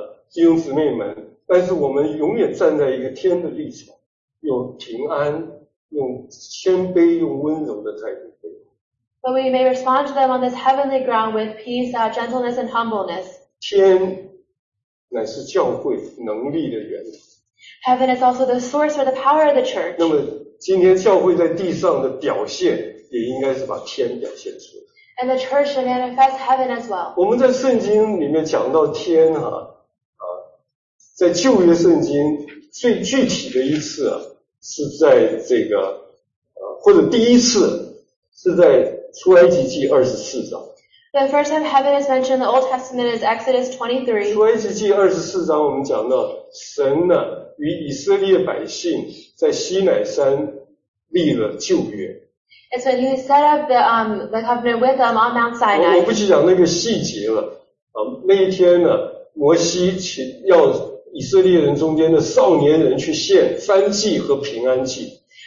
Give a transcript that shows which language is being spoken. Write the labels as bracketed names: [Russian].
[Chinese] 弟兄姊妹们，但是我们永远站在一个天的立场，用平安，用谦卑，用温柔的态度。 [English] But we may respond to them on this heavenly ground with peace, gentleness, and humbleness. [Chinese] 天乃是教会能力的源头。 [English] Heaven is also the source for the power of the church. [Chinese] 那么今天教会在地上的表现也应该是把天表现出来。 [English] And the church should manifest heaven as well. [Chinese] 我们在圣经里面讲到天在旧约圣经最具体的一次是在这个或者第一次是在出埃及记24章。 [English] The first time heaven is mentioned in the Old Testament is Exodus 23. [Chinese] 出埃及记24章我们讲到神呢与以色列百姓在西乃山立了旧约。 [English] It's when he set up the covenant with them on Mount Sinai. [Chinese] 我不去讲那个细节了。那一天呢，摩西要以色列人中间的少年人去献燔祭和平安祭。